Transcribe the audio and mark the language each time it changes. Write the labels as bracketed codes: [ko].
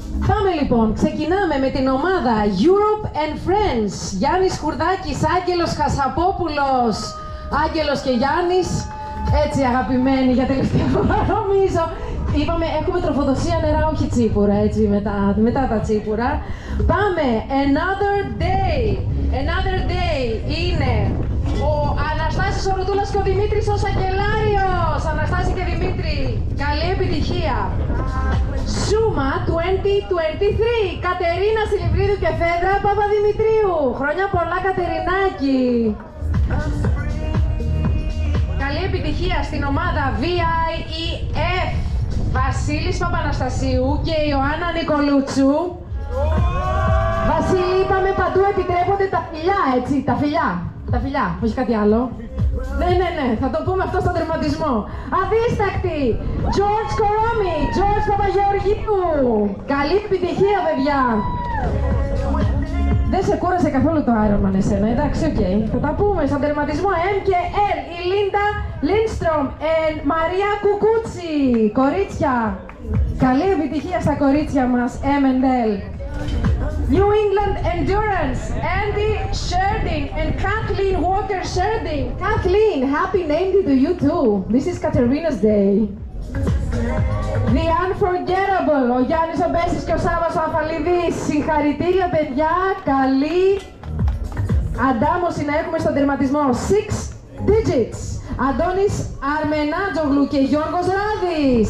[el] Πάμε λοιπόν, ξεκινάμε με την ομάδα Europe and Friends. Γιάννης Χουρδάκης, Άγγελος Χασαπόπουλος. Άγγελος και Γιάννης, έτσι αγαπημένοι για τελευταία φορά, νομίζω. Είπαμε, έχουμε τροφοδοσία νερά, όχι τσίπουρα, έτσι, μετά τα τσίπουρα. Πάμε, another day. Another day είναι ο Αναστάσης ο Ρουτούλας και ο Δημήτρης ο Σακελάριος. Αναστάση και Δημήτρη, καλή επιτυχία. Σούμα 2023, Κατερίνα Σιλιβρίδου και Φέδρα Παπαδημητρίου. Χρόνια πολλά, Κατερινάκη. Καλή επιτυχία στην ομάδα VIEF, Βασίλης Παπαναστασίου και Ιωάννα Νικολούτσου. Βασίλη, είπαμε παντού επιτρέπονται τα φιλιά, έτσι, τα φιλιά. Τα φιλιά, όχι κάτι άλλο. Ναι, θα το πούμε αυτό στον τερματισμό. Αδίστακτη, George Koromi, George Παπαγεωργίου. Καλή επιτυχία, παιδιά. Δεν σε κούρασε καθόλου το Ironman εσένα, εντάξει, οκ. Okay. Θα τα πούμε σαν τερματισμό M και L. Η Λίντα Λίνστρομ και Μαρία Κουκούτσι. Κορίτσια, καλή επιτυχία στα κορίτσια μας M and L. [en] New England Endurance, Andy Sherding and Kathleen Walker Sherding. Kathleen, happy name day to you too. This is Katerina's day. [el] The Unforgettable, ο Γιάννης ο Μπέσης και ο Σάββας ο Αφαλιδής. Συγχαρητήρια, παιδιά, καλή αντάμωση να έχουμε στον τερματισμό. Six digits. Αντώνης Αρμενάτζογλου και Γιώργος Ράδης.